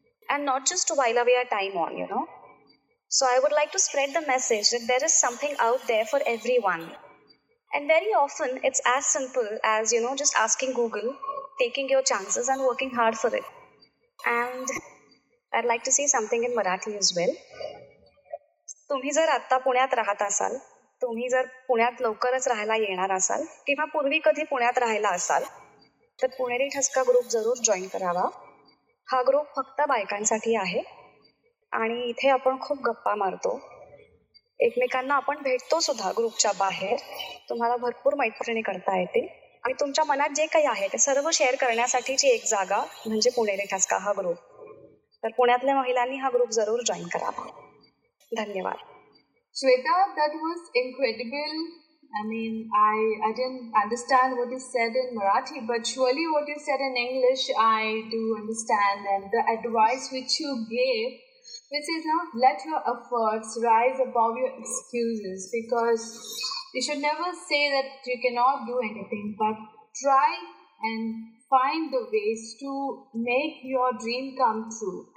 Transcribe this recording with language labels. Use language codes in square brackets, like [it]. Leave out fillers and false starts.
[en] And not just to while away our time on, you know. So I would like to spread the message that there is something out there for everyone. And very often it's as simple as, you know, just asking Google, taking your chances and working hard for it. And I'd like to say something in Marathi as well. [mr] Tumhi jar atta Punyat rahat asal. तुम्ही जर पुण्यात लवकरच राहायला येणार असाल किंवा पूर्वी कधी पुण्यात राहायला असाल तर पुणेरी ठसका ग्रुप जरूर जॉईन करावा. हा ग्रुप फक्त बायकांसाठी आहे आणि इथे आपण खूप गप्पा मारतो, एकमेकांना आपण भेटतो सुद्धा ग्रुपच्या बाहेर. तुम्हाला भरपूर मैत्रिणी करता येते आणि तुमच्या मनात जे काही आहे ते सर्व शेअर करण्यासाठीची एक जागा म्हणजे पुणेरी ठसका हा ग्रुप. तर पुण्यातल्या महिलांनी हा ग्रुप जरूर जॉईन करावा. धन्यवाद. [en] Shweta, that was incredible. I mean, I didn't understand what you said in Marathi, but surely what you said in English, I do understand. And the advice which you gave, which is, you know, let your efforts rise above your excuses, because you should never say that you cannot do anything, but try and find the ways to make your dream come true.